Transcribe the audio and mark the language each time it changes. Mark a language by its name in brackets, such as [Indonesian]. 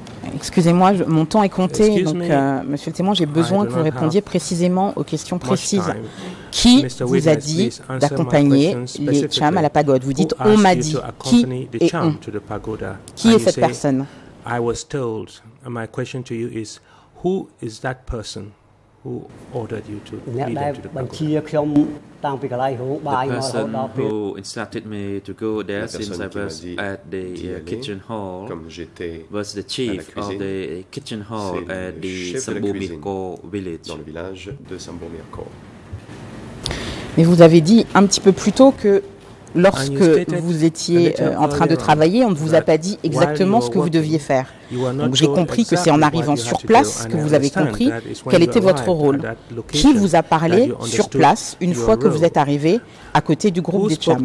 [French] Excusez-moi, mon temps est compté, monsieur le témoin, j'ai besoin que vous répondiez précisément aux questions précises. Qui vous a dit d'accompagner les Cham à la pagode? Vous dites « on m'a dit ». Qui est « on » Qui est cette personne? [English] I was told, and my question to you is, who is that person who ordered you to lead them to the pagode? The person who instructed me to go there since I was at the kitchen hall was the chief of the kitchen hall at the Sambomirko village. [French] Dans le village de Sambomirko. Mais vous avez dit un petit peu plus tôt que lorsque vous étiez en train de travailler, on ne vous a pas dit exactement ce que vous deviez faire. Donc j'ai compris que c'est en arrivant sur place que vous avez compris quel était votre rôle. Qui vous a parlé sur place une fois que vous êtes arrivé à côté du groupe des Cham?